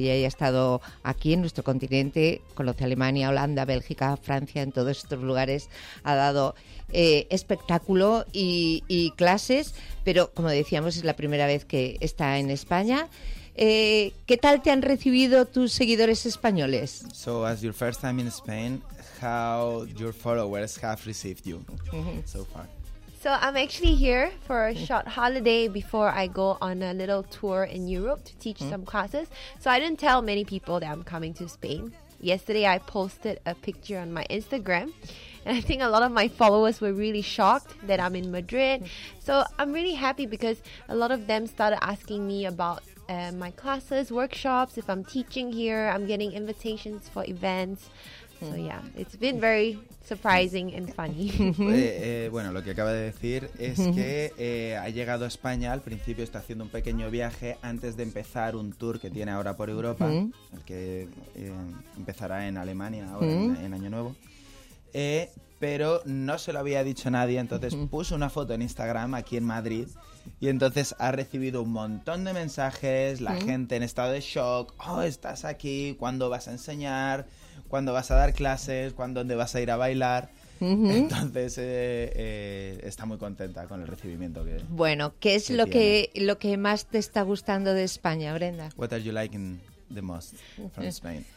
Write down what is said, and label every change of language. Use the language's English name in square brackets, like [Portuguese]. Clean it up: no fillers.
[Spanish] Ella ya ha estado aquí en nuestro continente. Conoce Alemania, Holanda, Bélgica, Francia, en todos estos lugares. Ha dado espectáculo y clases. Pero, como decíamos, es la primera vez que está en España. ¿Qué tal te han recibido tus seguidores españoles? [English] So, as your first time in Spain, how your followers have received you so far? So I'm actually here for a short holiday before I go on a little tour in Europe to teach some classes. So I didn't tell many people that I'm coming to Spain. Yesterday I posted a picture on my Instagram, and I think a lot of my followers were really shocked that I'm in Madrid. So I'm really happy because a lot of them started asking me about my classes, workshops, if I'm teaching here, I'm getting invitations for events. So yeah, it's been very surprising and funny. [Spanish] Bueno, lo que acaba de decir es que ha llegado a España, al principio está haciendo un pequeño viaje antes de empezar un tour que tiene ahora por Europa, el que empezará en Alemania ahora en Año Nuevo. Pero no se lo había dicho nadie, entonces puso una foto en Instagram aquí en Madrid y entonces ha recibido un montón de mensajes, la gente en estado de shock, oh, estás aquí, ¿cuándo vas a enseñar? ¿Cuándo vas a dar clases? ¿Cuándo dónde vas a ir a bailar? Entonces está muy contenta con el recibimiento que. Bueno, ¿qué es que lo que más te está gustando de España, Brenda? [English] What are you liking the most from Spain?